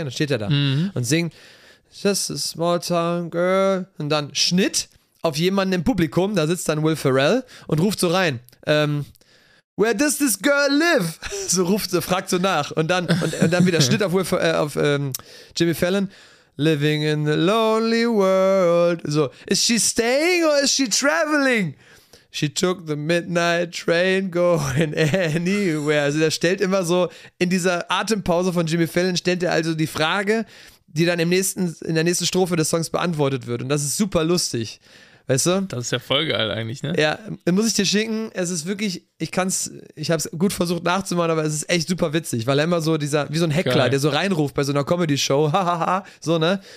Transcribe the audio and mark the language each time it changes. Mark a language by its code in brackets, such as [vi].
[de] Und dann steht er da und singt [en] Just a small town girl [de] und dann Schnitt auf jemanden im Publikum, da sitzt dann Will Ferrell und ruft so rein, [en] Where does this girl live? [de] So ruft, so fragt so nach und dann wieder Schnitt auf, Jimmy Fallon. [en] Living in the lonely world. So, is she staying or is she traveling? She took the midnight train going anywhere. [de] Also der stellt immer so, in dieser Atempause von Jimmy Fallon stellt er also die Frage, die dann in der nächsten Strophe des Songs beantwortet wird. Und das ist super lustig. Weißt du? Das ist ja voll geil eigentlich, ne? Ja, muss ich dir schicken. Es ist wirklich, ich habe es gut versucht nachzumachen, aber es ist echt super witzig, weil er immer so dieser, wie so ein Heckler, geil, der so reinruft bei so einer Comedy-Show, hahaha, so, ne?